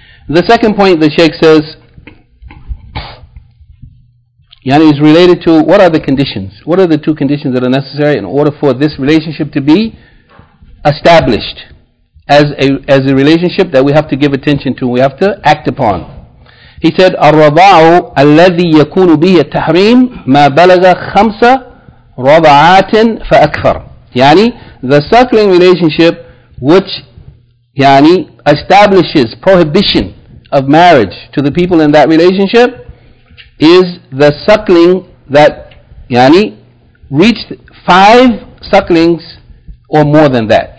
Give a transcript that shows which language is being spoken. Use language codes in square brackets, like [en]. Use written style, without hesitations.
[en] The second point the Shaykh says, is related to what are the conditions? What are the two conditions that are necessary in order for this relationship to be established as a relationship that we have to give attention to, we have to act upon? [ar] He said, الرَّضَاعُ الَّذِي يَكُونُ بِهِ التَّحْرِيمُ مَا بَلَغَ خَمْسَ رَضَعَاتٍ فَأَكْفَرُ. [en] Yani, the suckling relationship which establishes prohibition of marriage to the people in that relationship is the suckling that reached five sucklings or more than that.